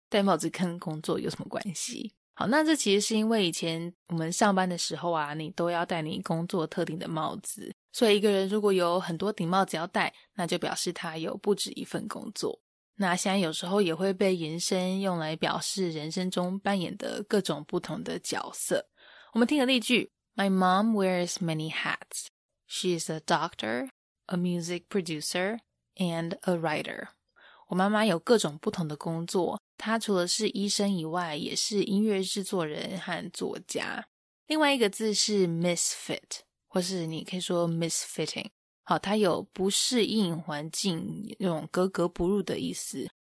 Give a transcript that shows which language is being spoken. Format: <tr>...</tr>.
<zh>戴帽子跟工作有什么关系？好，那这其实是因为以前我们上班的时候啊，你都要戴你工作特定的帽子，所以一个人如果有很多顶帽子要戴，那就表示他有不止一份工作。那现在有时候也会被延伸用来表示人生中扮演的各种不同的角色。我们听个例句</zh> <en>My mom wears many hats. She is a doctor, a music producer, and a writer.</en> <zh>我妈妈有各种不同的工作，她除了是医生以外，也是音乐制作人和作家。另外一个字是 misfit, 或是你可以说 misfitting。好，它有不适应环境，那种格格不入的意思。</zh>